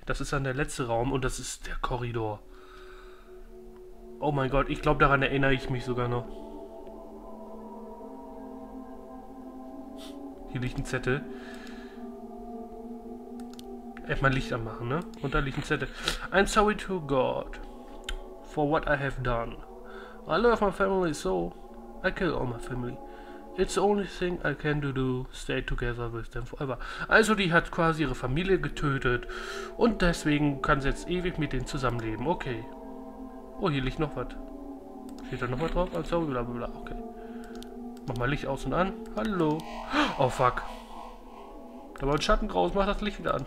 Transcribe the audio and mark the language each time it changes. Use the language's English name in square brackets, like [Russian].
[German] Das ist dann der letzte Raum und das ist der Korridor. Oh mein Gott, ich glaube, daran erinnere ich mich sogar noch. Hier liegt ein Zettel. Erstmal Licht anmachen, ne? Und da liegt ein Zettel. [English] I'm sorry to God for what I have done. I love my family so. I kill all my family. It's the only thing I can do. Stay together with them forever. [German] Also, die hat quasi ihre Familie getötet. Und deswegen kann sie jetzt ewig mit denen zusammenleben. Okay. Oh, hier liegt noch was. Steht da noch was drauf? [English] I'm sorry, bla bla bla. [German] Okay. Mach mal Licht aus und an. Hallo. Oh, fuck. Da war ein Schatten draus, mach das Licht wieder an.